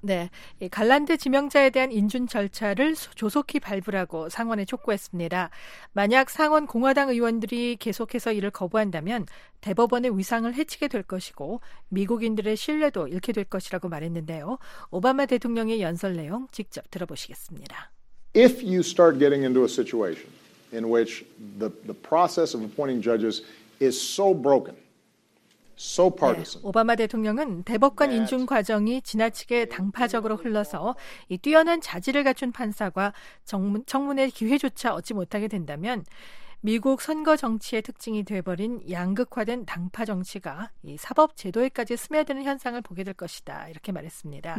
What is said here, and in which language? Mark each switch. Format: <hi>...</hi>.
<ko>네, 이 갈란드 지명자에 대한 인준 절차를 조속히 발부라고 상원에 촉구했습니다. 만약 상원 공화당 의원들이 계속해서 이를 거부한다면 대법원의 위상을 해치게 될 것이고 미국인들의 신뢰도 잃게 될 것이라고 말했는데요. 오바마 대통령의 연설 내용 직접 들어보시겠습니다.</ko> <en>If you start getting into a situation in which the process of appointing judges is so broken, so partisan.</en> <ko>네, 오바마 대통령은 대법관 인준 과정이 지나치게 당파적으로 흘러서 이 뛰어난 자질을 갖춘 판사가 청문회 기회조차 얻지 못하게 된다면 미국 선거 정치의 특징이 돼버린 양극화된 당파 정치가 이 사법 제도에까지 스며드는 현상을 보게 될 것이다 이렇게 말했습니다.</ko>